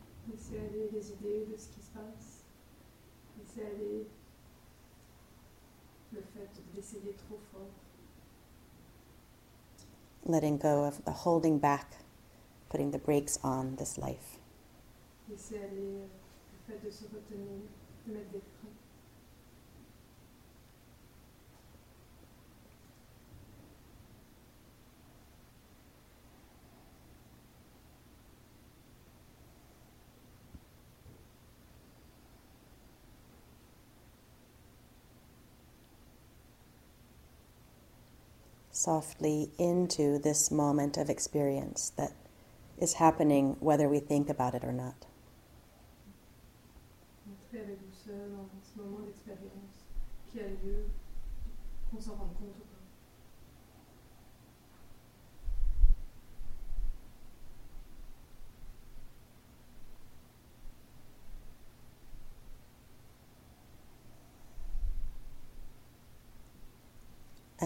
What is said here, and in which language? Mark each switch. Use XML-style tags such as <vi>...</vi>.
<fr>Laisser aller les idées de ce qui se passe, laisser aller le fait d'essayer trop fort.</fr> <en>Letting go of the holding back, putting the brakes on this life.</en> <fr>Laisser aller le fait de se retenir, de mettre des freins.</fr> <en>Softly into this moment of experience that is happening whether we think about it or not.</en> <fr>Entrer avec douceur dans ce moment d'expérience qui a lieu, qu'on s'en rende compte ou pas.</fr>